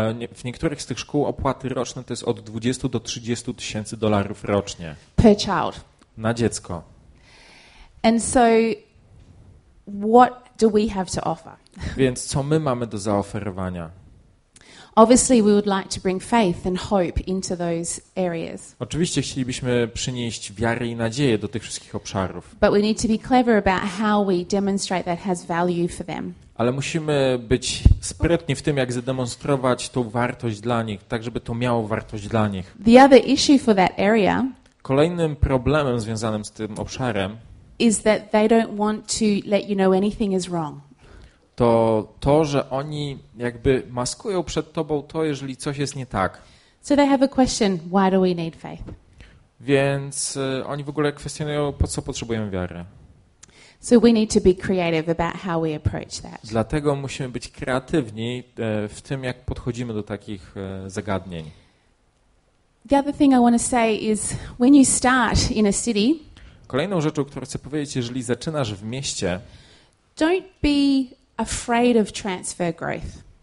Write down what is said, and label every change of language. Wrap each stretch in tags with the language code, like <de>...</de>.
<pl>W niektórych z tych szkół opłaty roczne to jest od 20 do 30 tysięcy dolarów rocznie.</pl> <en>Per child.</en> <pl>Na dziecko.</pl> <en>And so what do we have to offer?</en> <pl>Więc co my mamy do zaoferowania?</pl> <en>Obviously we would like to bring faith and hope into those areas.</en> <pl>Oczywiście chcielibyśmy przynieść wiarę i nadzieję do tych wszystkich obszarów.</pl> <en>But we need to be clever about how we demonstrate that has value for them.</en> <pl>Ale musimy być sprytni w tym, jak zademonstrować tą wartość dla nich, tak żeby to miało wartość dla nich.</pl> <en>The other issue for that area.</en> <pl>Kolejnym problemem związanym z tym obszarem</pl> <en>is that they don't want to let you know anything is wrong.</en> <pl>To, że oni jakby maskują przed tobą to, jeżeli coś jest nie tak.</pl> <en>So they have a question, why do we need faith?</en> <pl>Więc oni w ogóle kwestionują, po co potrzebujemy wiary.</pl> <en>So we need to be creative about how we approach that.</en> <pl>Dlatego musimy być kreatywni w tym, jak podchodzimy do takich zagadnień.</pl> <en>The other thing I want to say is when you start in a city.</en> <pl>Kolejną rzeczą, którą chcę powiedzieć, jeżeli zaczynasz w mieście.</pl> <en>Don't be afraid of transfer growth.</en>